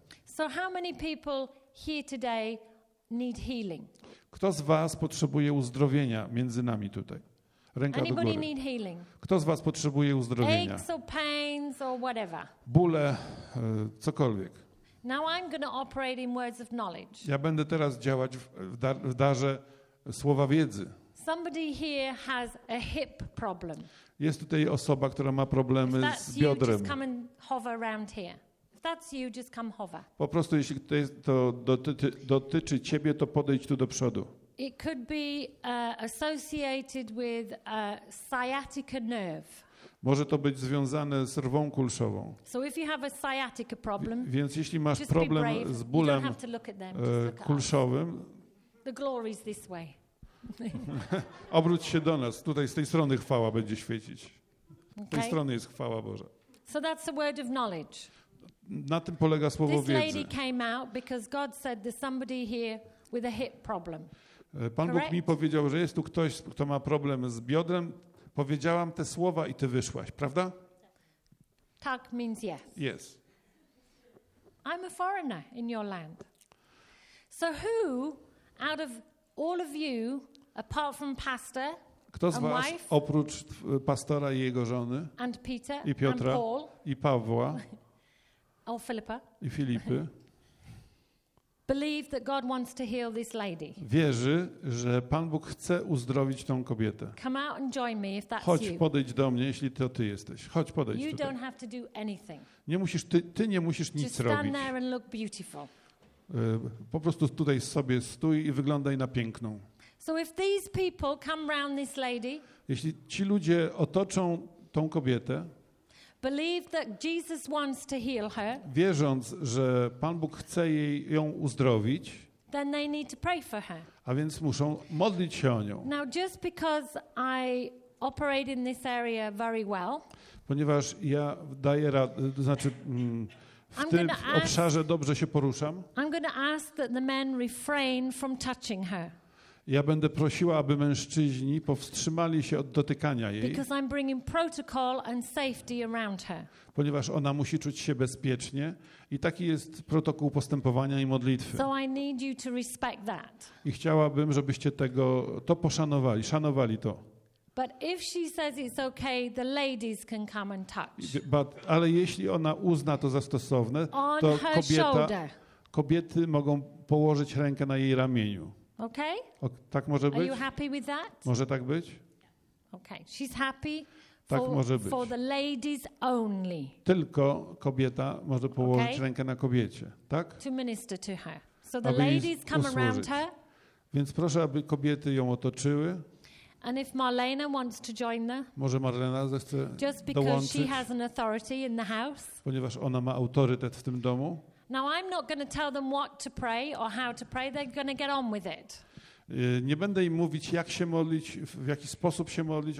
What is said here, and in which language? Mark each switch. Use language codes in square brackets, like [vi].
[en] So how many people here today need healing? [pl] Kto z was potrzebuje uzdrowienia między nami tutaj? Ręka [en] anybody [pl] do góry. [en] Need healing? [pl] Kto z was potrzebuje uzdrowienia? [en] Aches or pains or whatever. [pl] Bóle, cokolwiek. [en] Now I'm gonna operate in words of knowledge. [pl] Ja będę teraz działać w darze słowa wiedzy. [en] Somebody here has a hip problem. [pl] Jest tutaj osoba, która ma problemy z biodrem. [en] Just come and hover around here. If that's you, just come hover. [pl] Po prostu, jeśli to jest, to dotyczy ciebie, to podejdź tu do przodu. [en] It could be associated with a sciatica nerve. [pl] Może to być związane z rwą kulszową. [en] So if you have a sciatica problem, [pl] więc jeśli masz problem z bólem kulszowym, [en] the glory is this way. [pl] Obróć się do nas. Tutaj z tej strony chwała będzie świecić. Z tej strony jest chwała Boża. [en] So that's a word of knowledge. [pl] Na tym polega słowo wiedzy. [en] This lady came out because God said there's somebody here with a hip problem. [pl] Pan Bóg mi powiedział, że jest tu ktoś, kto ma problem z biodrem. Powiedziałam te słowa i ty wyszłaś, prawda? [en] Tak means yes. Yes. I'm a foreigner in your land. So who out of all of you, apart from pastor, [pl] kto z was, [en] wife, [pl] oprócz pastora i jego żony, [en] and Peter, [pl] i Piotra, [en] and Paul, [pl] i Pawła, [en] or Philippa, [pl] i Filipy, [en] believe that God wants to heal this lady. [pl] Wierzy, że Pan Bóg chce uzdrowić tą kobietę. [en] Come out and join me if that's [pl] chodź [en] you. [pl] Podejdź do mnie, jeśli to ty jesteś. Chodź podejdź [en] you [pl] tutaj. [en] Don't have to do anything. [pl] Nie musisz, ty nie musisz [en] just [pl] nic robić. [en] Stand there and look beautiful. [pl] Po prostu tutaj sobie stój i wyglądaj na piękną. [en] So if these people come round this lady, [pl] jeśli ci ludzie otoczą tą kobietę, [en] Believe that Jesus wants to heal her. [pl] Wierząc, że Pan Bóg chce jej ją uzdrowić. [en] Then they need to pray for her. [pl] A więc muszą modlić się o nią. [en] Now just because I operate in this area very well. [pl] Ponieważ ja daję radę, to znaczy w tym obszarze dobrze się poruszam. [en] I'm going to ask that the men refrain from touching her. [pl] Ja będę prosiła, aby mężczyźni powstrzymali się od dotykania jej. [en] Because I'm bringing protocol and safety around her. [pl] Ponieważ ona musi czuć się bezpiecznie i taki jest protokół postępowania i modlitwy. [en] So I need you to respect that. [pl] I chciałabym, żebyście tego to poszanowali, szanowali to. [en] But if she says it's okay, the ladies can come and touch. [pl] Ale jeśli ona uzna to za stosowne, on to kobiety mogą położyć rękę na jej ramieniu. [en] Okay? [pl] Tak może być? [en] Are you happy with that? [pl] Może tak być? [en] Okay. She's happy. [pl] Tak może być. [en] For the ladies only. [pl] Tylko kobieta może położyć rękę na kobiecie, tak? [en] To minister to her. So the ladies come around her. [pl] Więc proszę, aby kobiety ją otoczyły. [en] And if Marlena wants to join them? [pl] Może Marlena zechce [en] just because [pl] dołączyć, [en] she has an authority in the house? [pl] Ponieważ ona ma autorytet w tym domu. [en] Now I'm not going to tell them what to pray or how to pray. They're going to get on with it. [pl] Nie będę im mówić, jak się modlić, w jaki sposób się modlić.